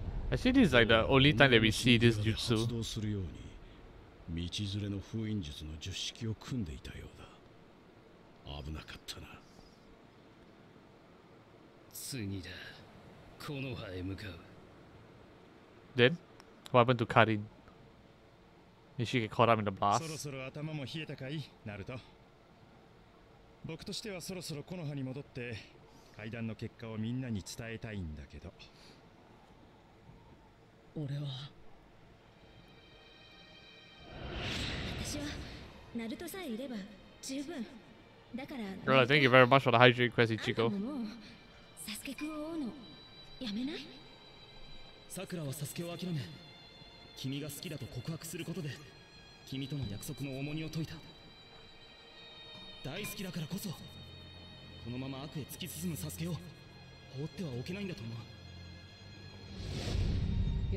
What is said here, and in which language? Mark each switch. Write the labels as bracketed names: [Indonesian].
[English] Actually, this is like the only time that we see this jutsu. [Japanese] 発動するように道連れの封印術の術式を組んでいたようだ。危なかったな。次だ。木の葉へ向かう。 [English] Then, what happened to Karin? Did she get caught up in the blast? [Japanese] そろそろ頭も冷えたかい、ナルト。僕としてはそろそろ木の葉に戻って会談の結果をみんなに伝えたいんだけど。私はナルトさえいれば十分だから。 [English] Well, thank you very much for the hydrate quest, Ichigo. [Japanese] サスケ君を追うのやめない。サクラはサスケを諦め、君が好きだと告白することで君との約束の重荷を解いた。大好きだからこそこのまま悪へ突き進むサスケを放ってはおけないんだと思う。